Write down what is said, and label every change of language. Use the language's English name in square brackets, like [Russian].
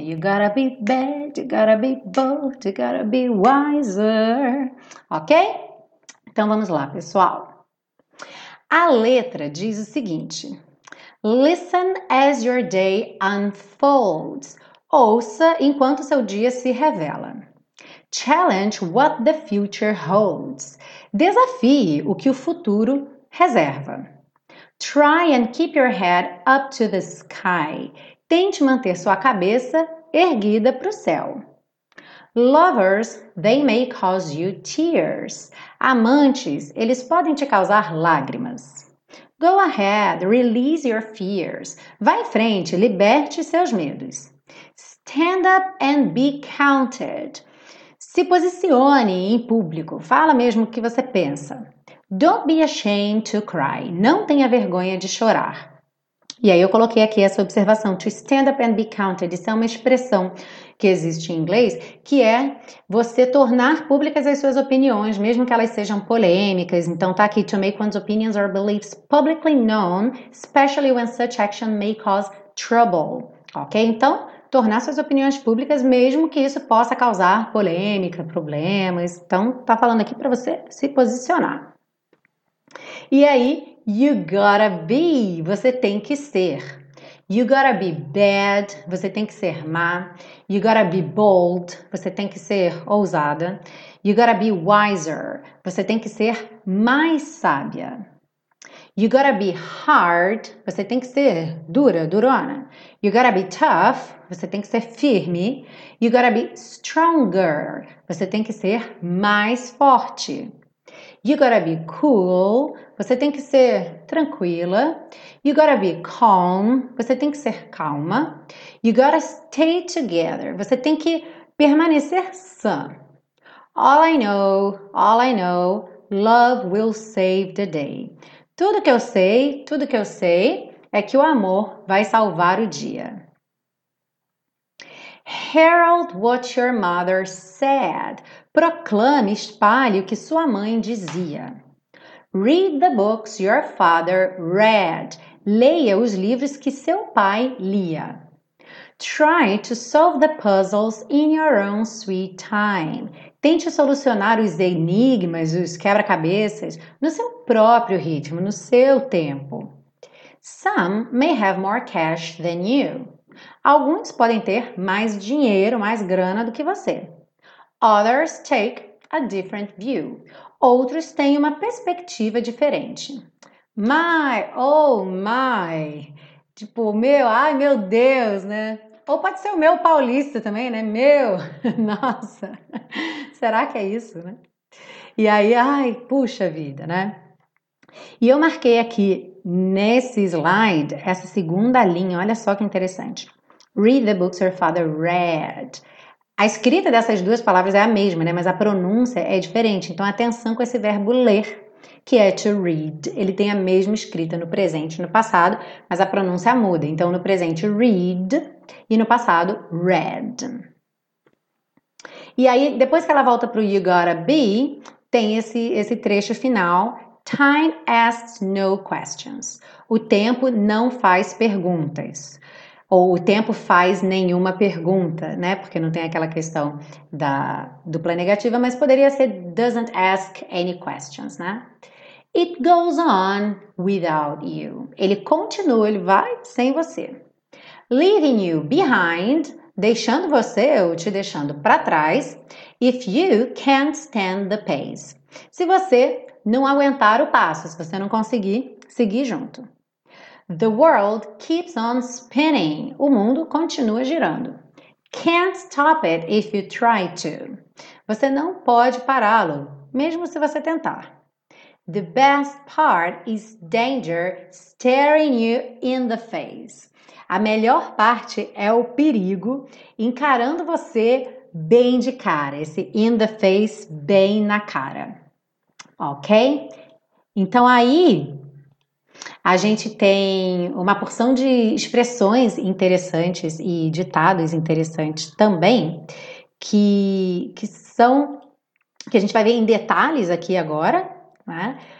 [English] You gotta be bad, you gotta be bold, you gotta be wiser. Ok? [Portuguese] Então vamos lá, pessoal. A letra diz o seguinte: [English] Listen as your day unfolds. [Portuguese] Ouça enquanto seu dia se revela. [English] Challenge what the future holds. [Portuguese] Desafie o que o futuro reserva. [English] Try and keep your head up to the sky. [Portuguese] Tente manter sua cabeça erguida para o céu. [English] Lovers, they may cause you tears. [Portuguese] Amantes, eles podem te causar lágrimas. [English] Go ahead, release your fears. [Portuguese] Vá em frente, liberte seus medos. [English] Stand up and be counted. [Portuguese] Se posicione em público, fala mesmo o que você pensa. [English] Don't be ashamed to cry. [Portuguese] Não tenha vergonha de chorar. E aí eu coloquei aqui essa observação, [English] to stand up and be counted. [Portuguese] Isso é uma expressão que existe em inglês, que é você tornar públicas as suas opiniões, mesmo que elas sejam polêmicas. Então tá aqui, [English] to make one's opinions or beliefs publicly known, especially when such action may cause trouble. [Portuguese] Ok, então... tornar suas opiniões públicas, mesmo que isso possa causar polêmica, problemas. Então, tá falando aqui para você se posicionar. E aí, [English] you gotta be, [Portuguese] você tem que ser. [English] You gotta be bad, [Portuguese] você tem que ser má. [English] You gotta be bold, [Portuguese] você tem que ser ousada. [English] You gotta be wiser, [Portuguese] você tem que ser mais sábia. [English] You gotta be hard, [Portuguese] você tem que ser dura, durona. [English] You gotta be tough, [Portuguese] você tem que ser firme. [English] You gotta be stronger, [Portuguese] você tem que ser mais forte. [English] You gotta be cool, [Portuguese] você tem que ser tranquila. [English] You gotta be calm, [Portuguese] você tem que ser calma. [English] You gotta stay together, [Portuguese] você tem que permanecer sã. [English] All I know, love will save the day. [Portuguese] Tudo que eu sei, tudo que eu sei é que o amor vai salvar o dia. [English] Herald what your mother said. [Portuguese] Proclame, espalhe o que sua mãe dizia. [English] Read the books your father read. [Portuguese] Leia os livros que seu pai lia. [English] Try to solve the puzzles in your own sweet time. [Portuguese] Tente solucionar os enigmas, os quebra-cabeças, no seu próprio ritmo, no seu tempo. [English] Some may have more cash than you. [Portuguese] Alguns podem ter mais dinheiro, mais grana do que você. [English] Others take a different view. [Portuguese] Outros têm uma perspectiva diferente. [English] My, oh my! [Portuguese] Tipo, meu, ai meu Deus, né? Ou pode ser o meu paulista também, né? Meu, nossa, será que é isso, né? E aí, ai, puxa vida, né? E eu marquei aqui nesse slide essa segunda linha, olha só que interessante. [English] Read the books your father read. [Portuguese] A escrita dessas duas palavras é a mesma, né? Mas a pronúncia é diferente. Então, atenção com esse verbo ler, que é to read. Ele tem a mesma escrita no presente e no passado, mas a pronúncia muda. Então, no presente, read, e no passado, read. E aí, depois que ela volta para o [English] you gotta be, [Portuguese] tem esse trecho final. [English] Time asks no questions. [Portuguese] O tempo não faz perguntas. Ou o tempo faz nenhuma pergunta, né? Porque não tem aquela questão da dupla negativa, mas poderia ser [English] doesn't ask any questions, [Portuguese] né? [English] It goes on without you. [Portuguese] Ele continua, ele vai sem você. [English] Leaving you behind, [Portuguese] deixando você ou te deixando para trás, [English] if you can't stand the pace. [Portuguese] Se você não aguentar o passo, se você não conseguir seguir junto. [English] The world keeps on spinning. [Portuguese] O mundo continua girando. [English] Can't stop it if you try to. [Portuguese] Você não pode pará-lo, mesmo se você tentar. [English] The best part is danger staring you in the face. [Portuguese] A melhor parte é o perigo encarando você bem de cara, esse [English] in the face [Portuguese] bem na cara. Ok? Então aí a gente tem uma porção de expressões interessantes e ditados interessantes também, que são, que a gente vai ver em detalhes aqui agora, né?